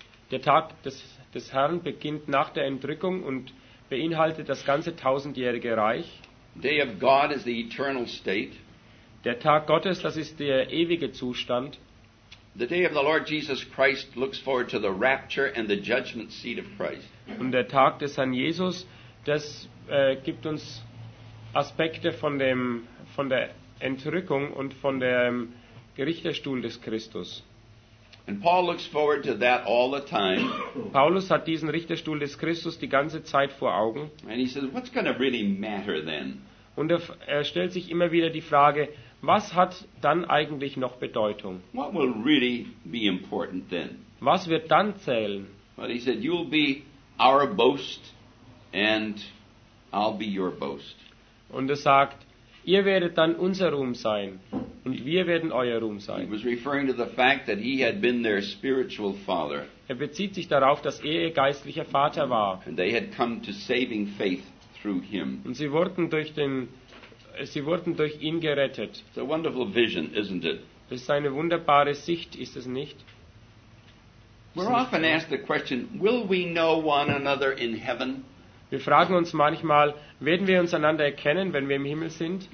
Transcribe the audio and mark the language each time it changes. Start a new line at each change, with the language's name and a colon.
German: Der Tag des Herrn beginnt nach der Entrückung und beinhaltet das ganze tausendjährige Reich.
English: Day of God is the eternal state.
German: Der Tag Gottes, das ist der ewige Zustand.
English: The day of the Lord Jesus Christ looks forward to the rapture and the judgment seat of Christ.
German: Und der Tag des Herrn Jesus, das gibt uns Aspekte von der Entrückung und von dem Gerichterstuhl des Christus.
English: And Paul looks forward to that all the time.
German: Paulus hat diesen Richterstuhl des Christus die ganze Zeit vor Augen.
English: And he says, what's going to really matter then?
German: Und er stellt sich immer wieder die Frage, was hat dann eigentlich noch Bedeutung?
English: What will really be important then?
German: Was wird dann zählen?
English: Well, he said, you'll be our boast and I'll be your boast.
German: Und er sagt, ihr werdet dann unser Ruhm sein. Und wir werden euer Ruhm sein.
English: He was referring to the fact that he had been their spiritual father.
German: Er bezieht sich darauf, dass er ihr geistlicher Vater war.
English: And they had come to saving faith through him.
German: Und sie wurden durch ihn gerettet.
English: It's a wonderful vision, isn't it?
German: Das ist eine wunderbare Sicht, ist es nicht?
English: We're often asked the question, will we know one another in heaven?
German: Wir fragen uns manchmal, werden wir uns einander erkennen, wenn wir im Himmel sind?